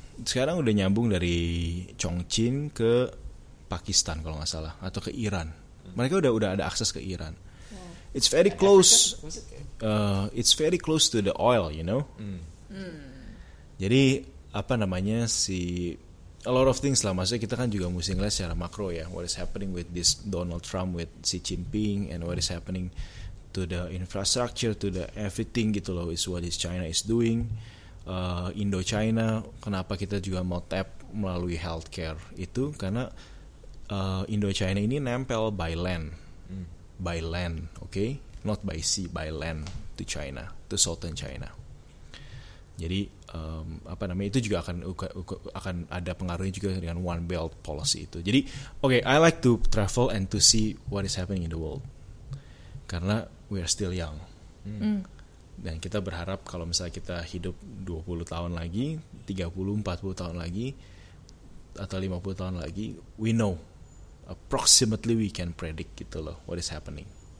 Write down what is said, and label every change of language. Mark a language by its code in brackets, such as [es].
[id] Sekarang udah nyambung dari Chongqing ke Pakistan kalau enggak salah, atau ke Iran. Mereka udah ada akses ke Iran. [en] It's very close. It's very close to the oil, you know. Jadi si a lot of things lah. [id] Maksudnya kita kan juga mesti ngeliat secara makro ya. [en] What is happening with this Donald Trump with Xi Jinping, and what is happening to the infrastructure, to the everything gitu loh. Is what is China is doing. [id] Indochina, kenapa kita juga mau tap melalui healthcare itu? [en] Karena Indochina ini nempel by land, by land, okay? Not by sea, by land. to China, to Southern China. [id] Jadi apa namanya itu juga akan ada pengaruhnya juga dengan One Belt policy itu. [en] Jadi okay, I like to travel and to see what is happening in the world. [id] Karena [en] we are still young. [id] Dan kita berharap kalau misalnya kita hidup 20 tahun lagi, 30, 40 tahun lagi atau 50 tahun lagi, [en] we know approximately we can predict [id] gitu loh [en] what is happening.